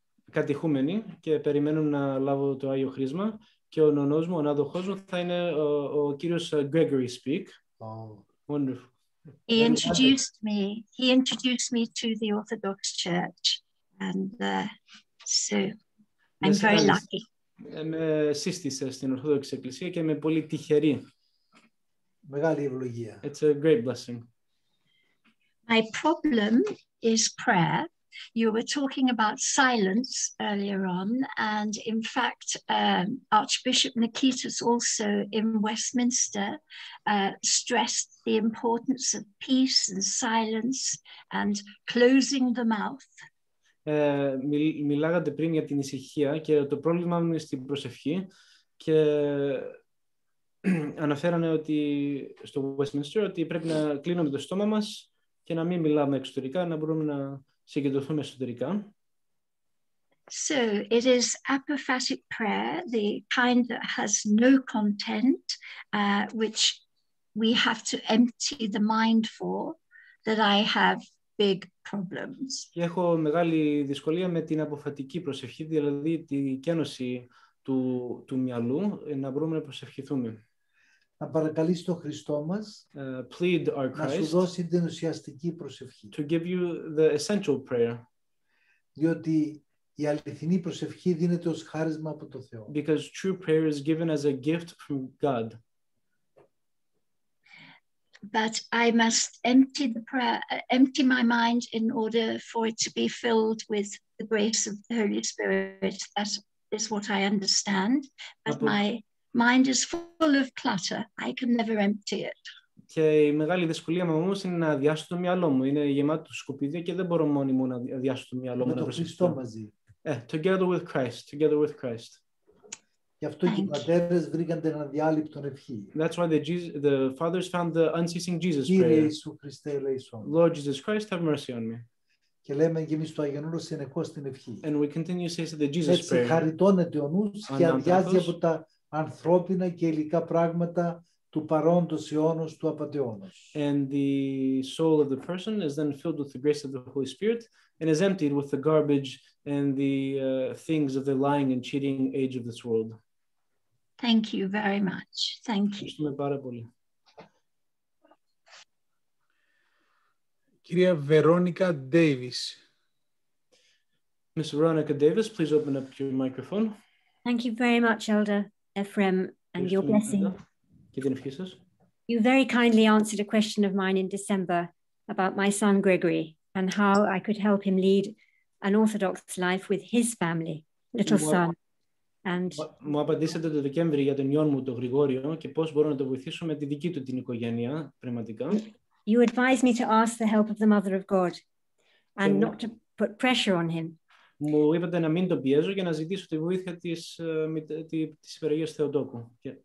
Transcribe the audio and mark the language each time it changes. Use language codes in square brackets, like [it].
[el] Κατηχούμενοι και περιμένουν να λάβω το Άγιο Χρίσμα και ο νονός μου, ο αναδοχός μου, θα είναι ο κύριος Gregory Speak. [en] Oh. Wonderful. He introduced me to the Orthodox Church, and so I'm very lucky. [el] Με σύστησε στην Ορθόδοξη Εκκλησία και είμαι πολύ τυχερή. Μεγάλη ευλογία. [en] It's a great blessing. My problem is prayer. You were talking about silence earlier on, and in fact, Archbishop Nikitas also in Westminster stressed the importance of peace and silence and closing the mouth. [el] Μιλάγατε πριν για την ησυχία και το πρόβλημα μου είναι στην προσευχή και αναφέρανε ότι στο Westminster ότι πρέπει να κλείνουμε το στόμα μας και να μην μιλάμε εξωτερικά, να μπορούμε να συγκεντρωθούμε εσωτερικά. [en] So it is apophatic prayer, the kind that has no content, which we have to empty the mind for, that I have big problems. [el] Και έχω μεγάλη δυσκολία με την αποφατική προσευχή, δηλαδή τη κένωση του μυαλού, να μπορούμε να προσευχηθούμε. Να παρακαλείς τον Χριστό μας [en] plead our Christ, [el] να σου δώσει την ουσιαστική προσευχή. [en] To give you the essential prayer. [el] Διότι η αληθινή προσευχή δίνεται ως χάρισμα από το Θεό. [en] Because true prayer is given as a gift from God. But I must empty the prayer, empty my mind in order for it to be filled with the grace of the Holy Spirit. That is what I understand. But my mind is full of clutter. I can never empty it. [el] Και η μεγάλη δυσκολία μου όμως είναι να αδειάσω το μυαλό μου. Είναι γεμάτο σκουπίδια και δεν μπορώ μόνη μου να αδειάσω το μυαλό μου. Με τον Χριστό μαζί. [en] Together with Christ. [el] Γι' αυτό και οι πατέρες βρήκαν την αδιάλειπτον ευχή. [en] That's why the fathers found the unceasing Jesus prayer. [el] Κύριε Ιησού Χριστέ, ελέησον. [en] Lord Jesus Christ, have mercy on me. [el] Και λέμε και εμείς το Αγιανούρο συνεχώς την ευχή. [en] And we continue to say the Jesus prayer. [el] Έτσι χαριτώνεται ο νους και αδειάζει από τα ανθρώπινα και υλικά πράγματα του παρόντος αιώνος του απατεώνος. [en] And the soul of the person is then filled with the grace of the Holy Spirit and is emptied with the garbage and the things of the lying and cheating age of this world. Thank you very much. Thank you. [el] Ευχαριστούμε πάρα πολύ. Κυρία Βερόνικα Ντέιβις. [en] Ms. Veronica Davis, please open up your microphone. Thank you very much, Elder Ephraim, and your blessing. [el] Και την ευχή σας. [en] You very kindly answered a question of mine in December about my son Gregory and how I could help him lead an Orthodox life with his family, little son. And [el] μου απαντήσατε το Δεκέμβρη για τον γιον μου, τον Γρηγόριο, και πώς μπορώ να το βοηθήσω με τη δική του την οικογένεια, πνευματικά. [en] You advised me to ask the help of the Mother of God and not to put pressure on him. [el] Μου είπατε να μην τον πιέζω και να ζητήσω τη βοήθεια της Υπεραγίας Θεοτόκου.